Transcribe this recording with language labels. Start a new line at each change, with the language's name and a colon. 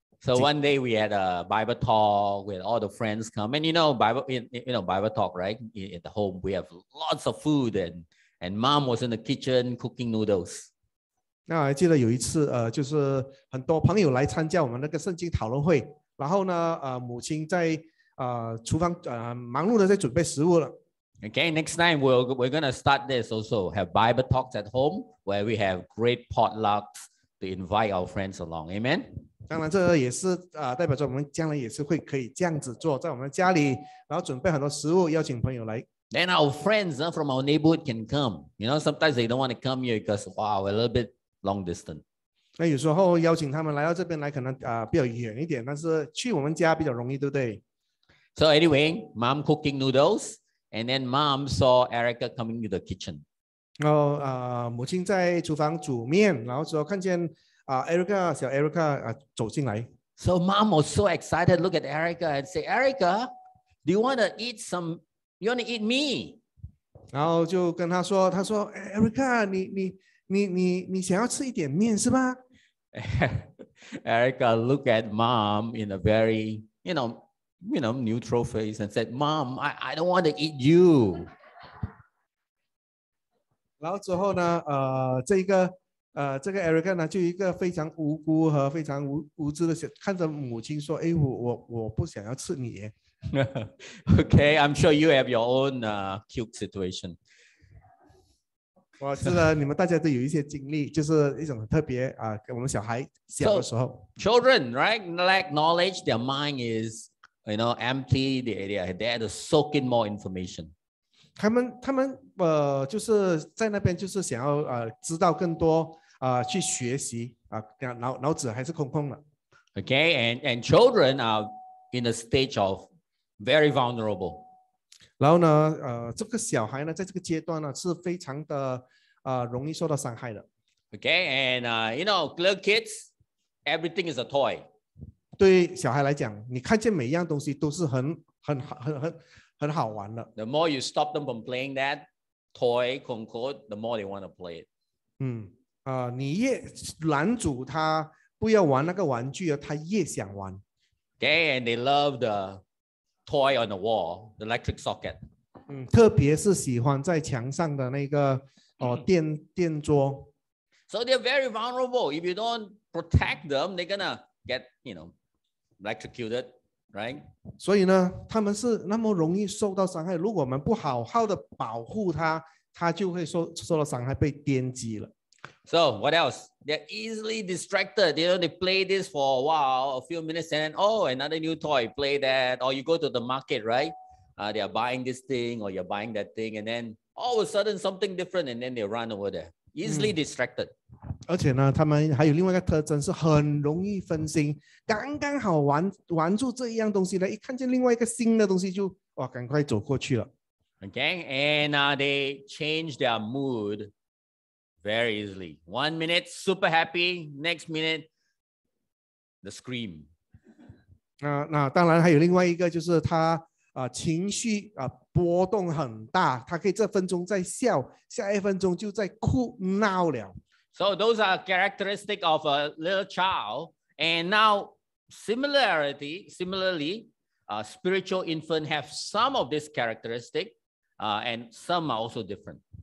English: So one day we had a Bible talk with all the friends come, and you know Bible talk, right? At the home we have lots of food, and mom was in the kitchen cooking noodles.
Chinese: 那我还记得有一次，就是很多朋友来参加我们那个圣经讨论会，然后呢，母亲在厨房忙碌的在准备食物了。
English: Okay, next time we're gonna start this also have Bible talks at home where we have great potlucks to invite our friends along. Amen.
Chinese: 当然这也是代表着我们将来也是会可以这样子做，在我们家里然后准备很多食物邀请朋友来。
English: Then our friends from our neighborhood can come. You know, sometimes they don't want to come here because, wow, a little bit long distance.
Chinese: 那有时候邀请他们来到这边来可能比较远一点，但是去我们家比较容易，对不对？
English: So anyway, mom cooking noodles, and then mom saw Erica coming to the kitchen.
Chinese: 然后母亲在厨房煮面，然后之后看见Erica, 小 Erica, 走进来。
English: So mom was so excited, look at Erica and say, Erica, do you want to eat some, you want to eat me?
Chinese: 然后就跟她说，她说 Erica, 你想要吃一点面是吧？
English: Erica looked at mom in a very, you know, neutral face and said, mom, I don't want to eat you.
Chinese: 然后之后呢，这一个这个 Erica 呢，就一个非常无辜和非常无知的看着母亲说：“哎，我不想要吃你。
English: ”Okay, I'm sure you have your own cute situation.
Chinese: 我知道你们大家都有一些经历，就是一种很特别跟我们小孩小的时候。
English: So, children, right? Lack knowledge. Their mind is, you know, empty. They are there to soak in more information.
Chinese: 他们就是在那边就是想要知道更多去学习脑子还是空空的。
English: Okay, and children are in a stage of very vulnerable.
Chinese: 然后呢，这个小孩呢，在这个阶段呢，是非常的容易受到伤害的。
English: Okay, and you know, little kids, everything is a toy.
Chinese: 对小孩来讲，你看见每样东西都是很好玩的。
English: The more you stop them from playing that toy, the more they want to play it.
Chinese: 你越拦阻他不要玩那个玩具，他越想玩。
English: Okay, and they love the toy on the wall, the electric socket.
Chinese: 特别是喜欢在墙上的那个电桌。
English: So they're very vulnerable. If you don't protect them, they're gonna get, you know, electrocuted, right?
Chinese: 所以呢，他们是那么容易受到伤害。如果我们不好好的保护他，他就会受到伤害，被电击了。
English: So what else? They're easily distracted. You know, they play this for a while, a few minutes, and then, oh, another new toy. Play that, or you go to the market, right? They are buying this thing, or you're buying that thing, and then all of a sudden something different, and then they run over there. Easily distracted.
Chinese: 而且呢，他们还有另外一个特征是很容易分心。刚刚好玩住这一样东西呢，一看见另外一个新的东西就赶快走过去了。
English: Okay, and they change their mood. Very easily. 1 minute, super happy. Next minute, the scream.
Chinese: 那当然还有另外一个，就是他情绪波动很大。他可以这分钟在笑，下一分钟就在哭闹了。
English: So those are characteristics of a little child. And now, similarly, spiritual infant have some of this characteristic, and some are also different.